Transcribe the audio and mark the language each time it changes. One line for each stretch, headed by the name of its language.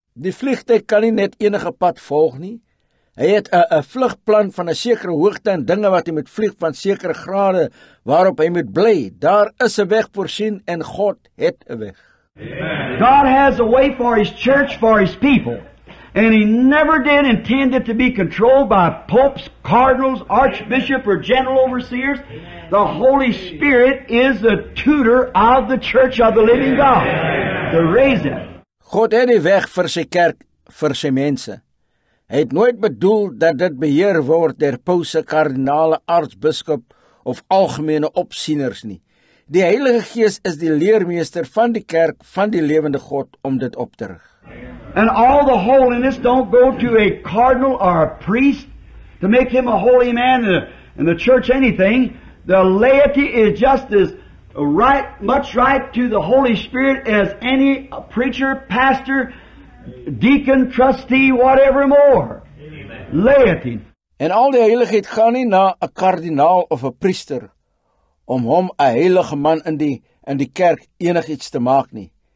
Afrikaans: Die vliegtuig kan nie net enige pad volg nie. Hy het 'n vlugplan van 'n sekere hoogte en dinge wat hy moet vlieg van sekere grade waarop hy moet bly. Daar is 'n weg voorsien en God het 'n weg. Amen.
English: God has a way for his church, for his people. And he never did intend it to be controlled by popes, cardinals, archbishop or general overseers. Amen. The Holy Spirit is the tutor of the church of the living God. The reason.
Afrikaans: God het die weg vir sy kerk, vir sy mense. Hy het nooit bedoel dat dit beheer word der pause, kardinale, artsbiskop of algemene opsieners nie. Die Heilige Gees is die leermeester van die kerk van die lewende God om dit op te rig.
English: And all the holiness don't go to a cardinal or a priest to make him a holy man in the church anything. The laity is just as right, much right to the Holy Spirit as any preacher, pastor, deacon, trustee, whatever more. Laity.
Afrikaans: En al die heiligheid gaan nie na 'n kardinaal of 'n priester om hom 'n heilige man in die kerk enigiets te maak nie.